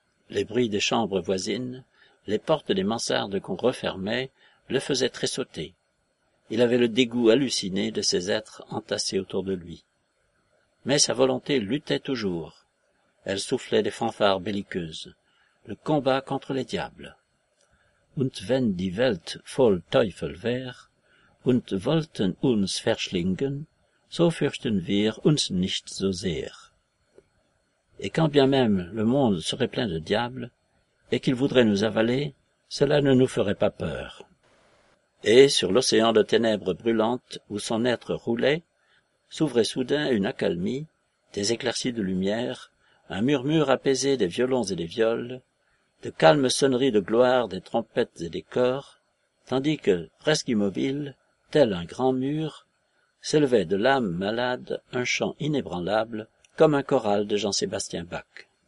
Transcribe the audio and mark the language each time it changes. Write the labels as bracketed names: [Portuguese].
[French] Les bruits des chambres voisines, les portes des mansardes qu'on refermait, le faisaient tressauter. Il avait le dégoût halluciné de ces êtres entassés autour de lui. Mais sa volonté luttait toujours. Elle soufflait des fanfares belliqueuses. Le combat contre les diables. [German] Und wenn die Welt voll Teufel wär, und wollten uns verschlingen, so fürchten wir uns nicht so sehr. [French] Et quand bien même le monde serait plein de diables, et qu'ils voudraient nous avaler, cela ne nous ferait pas peur. Et sur l'océan de ténèbres brûlantes où son être roulait, s'ouvrait soudain une accalmie, des éclaircies de lumière, un murmure apaisé des violons et des viols, de calmes sonneries de gloire des trompettes et des cors, tandis que, presque immobile, tel un grand mur, s'élevait de l'âme malade un chant inébranlable, comme un choral de Jean-Sébastien Bach.